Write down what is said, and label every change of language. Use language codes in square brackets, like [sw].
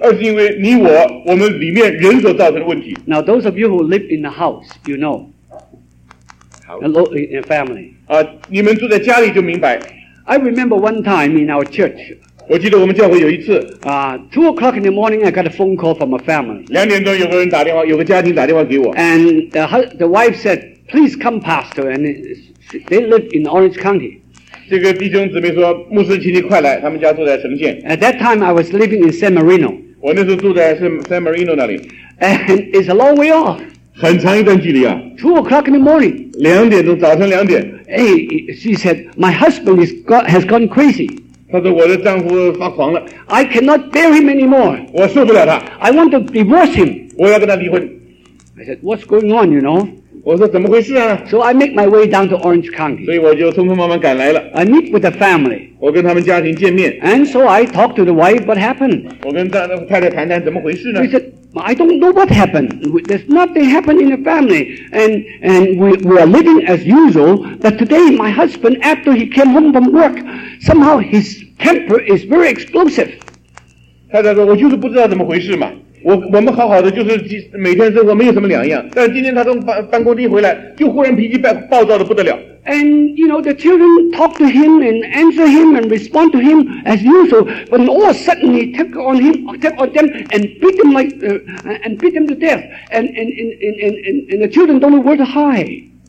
[zh] 今天世界上的问题不是因为环境，而是因为你我，我们里面人所造成的问题。 [en] Now those of you who live in a house, you know. Hello, in family. [zh] 你们住在家里就明白。 [en] I remember one time in our church. [zh] 我记得我们教会有一次。 [en] 2 o'clock in the morning, I got a phone call from a family. [zh] 2点钟有个人打电话，有个家庭打电话给我。 [en] And the wife said, "Please come, pastor." And they live in Orange County. [zh] 这个弟兄姊妹说，牧师，请你快来，他们家住在城县。 [en] At that time, I was living in San Marino. [zh] 我那时候住在是 San Marino 那里。 [en] And it's a long way off. [zh] 很长一段距离啊。 [en] 2 o'clock in the morning. [zh] 2点钟，早晨2点。 [en] Hey, she said, "My husband has gone crazy." [zh] 她说我的丈夫发狂了。 [en] I cannot bear him anymore. [zh] 我受不了他。 [en] I want to divorce him. [zh] 我要跟他离婚。 [en] I said, "What's going on, you know?" [zh] 我说怎么回事啊？ [en] So I make my way down to Orange County. [zh] 所以我就匆匆忙忙赶来了。 [en] I meet with the family. [zh] 我跟他们家庭见面。 [en] And so I talk to the wife, "What happened?" [zh] 我跟太太谈谈怎么回事呢？ [en] She said, "I don't know what happened. There's nothing happened in the family. And we are living as usual. But today, my husband, after he came home from work, somehow his temper is very explosive." [zh] 太太说，我就是不知道怎么回事嘛。我们好好的，就是每天生活没有什么两样。但是今天他从办公地回来，就忽然脾气暴躁的不得了。 [en] And you know, the children talk to him and answer him and respond to him as usual, but all of a sudden he took on them and beat them like to death. And the children don't know where to hide.